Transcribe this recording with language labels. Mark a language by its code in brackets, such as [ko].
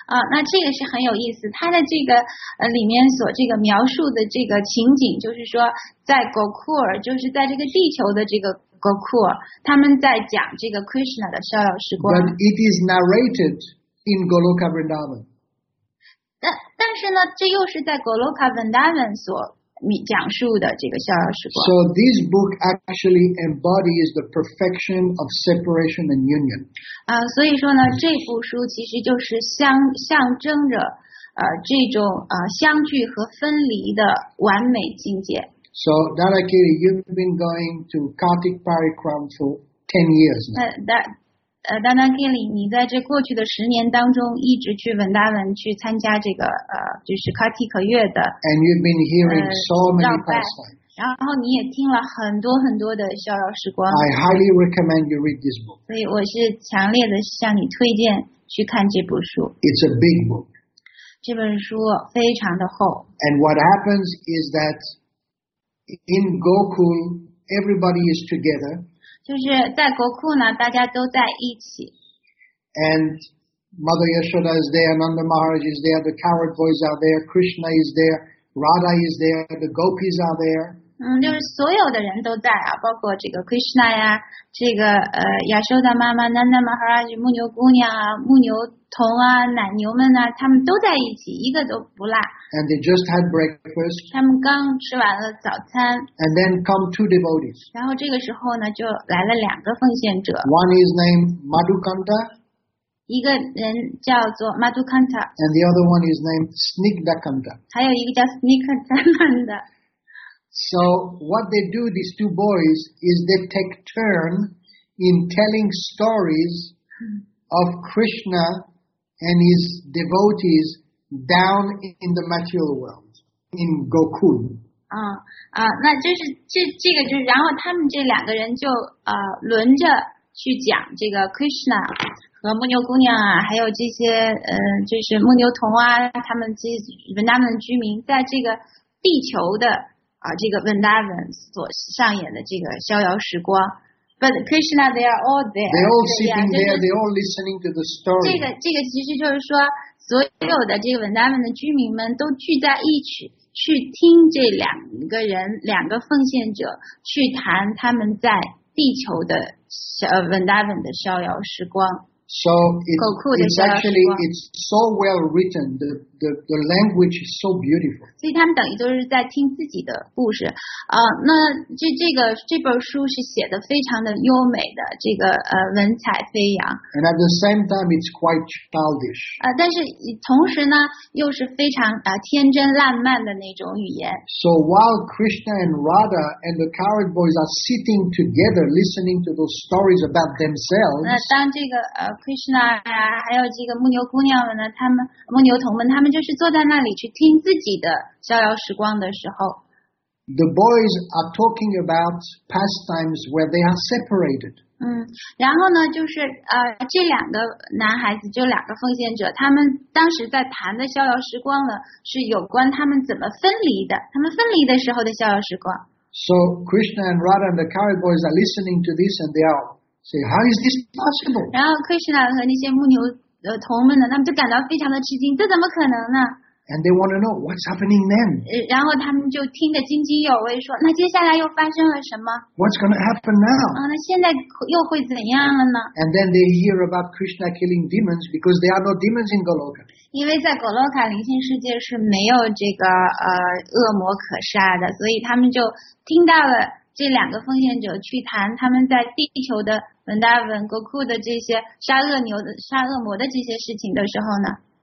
[zh] 那这个是很有意思，它的这个里面所这个描述的这个情景，就是说在 Gokul, 就是在这个地球的这个 Gokul, 他们在讲这个 Krishna 的逍遥时光。 [en] But it is narrated in Goloka Vrindavan. [zh] 但是呢，这又是在 Goloka Vrindavan 所讲述的这个逍遥时光。 [en] So this book actually embodies the perfection of separation and union. [zh] 所以说呢，这部书其实就是象征着这种相聚和分离的完美境界。 [en] So Dadakiri, you've been going to Kartik Parikram for 10 years now. [zh] Dadakiri, 你在这过去的十年当中一直去文达文去参加这个就是 Kartik 月的。 [en] And you've been hearing so many pastimes. [zh] 然后你也听了很多很多的逍遥时光。 [en] I highly recommend you read this book. [zh] 所以我是强烈的向你推荐去看这部书。 [en] It's a big book. [zh] 这本书非常的厚。 [en] And what happens is that in Gokul, everybody is together. [zh] 就是在国库呢，大家都在一起。 [en] And Mother Yashoda is there, Nanda Maharaj is there, the coward boys are there, Krishna is there, Radha is there, the gopis are there. [zh] 就是所有的人都在啊，包括这个 Krishna 呀，这个Yashoda 妈妈 ，Nanda Maharaj 牧牛姑娘啊，牧牛童啊，奶牛们啊，他们都在一起，一个都不落。 [en] And they just had breakfast. [zh] 他们刚吃完了早餐。 [en] And then come two devotees. [zh] 然后这个时候呢，就来了两个奉献者。 [en] One is named Madhukanta. [zh] 一个人叫做 Madhukanta. [en] And the other one is named Snigdhakanta. [zh] 还有一个叫 Snigdhakanta. [en] So what they do, these two boys, is they take turn in telling stories of Krishna and his devotees down in the material world, in Gokul. [zh] 那就是这个就是，然后他们这两个人就轮着去讲这个 Krishna 和牧牛姑娘啊，还有这些就是牧牛童啊，他们这文达文居民在这个地球的这个文达文所上演的这个逍遥时光。 [en] But Krishna, they are all there. They're all sitting there. They're all listening to the story. [zh] 这个其实就是说，所有的这个文达文的居民们都聚在一起，去听这两个人、两个奉献者去谈他们在地球的文达文的逍遥时光。 [en] So it's actually so well written. The language is so beautiful. [zh] 所以他们等于都是在听自己的故事。那这本书是写的非常的优美的，这个文采飞扬。 [en] And at the same time, it's quite childish. [zh] 但是同时呢，又是非常天真烂漫的那种语言。 [en] So while Krishna and Radha and the coward boys are sitting together listening to those stories about themselves. [zh] 那当这个Krishna 呀，还有这个牧牛姑娘们呢，他们牧牛童们，他们就是坐在那里去听自己的逍遥时光的时候。 [en] The boys are talking about pastimes where they are separated. [zh] 然后呢，就是这两个男孩子，就两个奉献者，他们当时在谈的逍遥时光呢，是有关他们怎么分离的，他们分离的时候的逍遥时光。 [en] So Krishna and Radha and the coward boys are listening to this, and they are. Say, how is this possible? [zh] 然后 Krishna 和那些牧牛童们呢，他们就感到非常的吃惊，这怎么可能呢？ [en] And they want to know what's happening then. [zh] 然后他们就听得津津有味，说那接下来又发生了什么？ [en] What's going to happen now? [zh] 那现在又会怎样了呢？ [en] And then they hear about Krishna killing demons because there are no demons in Goloka. [zh] 因为在 Goloka 灵性世界是没有这个恶魔可杀的，所以他们就听到了。这两个奉献者去谈他们在地球的文达文国库的这些杀恶魔的这些事情的时候呢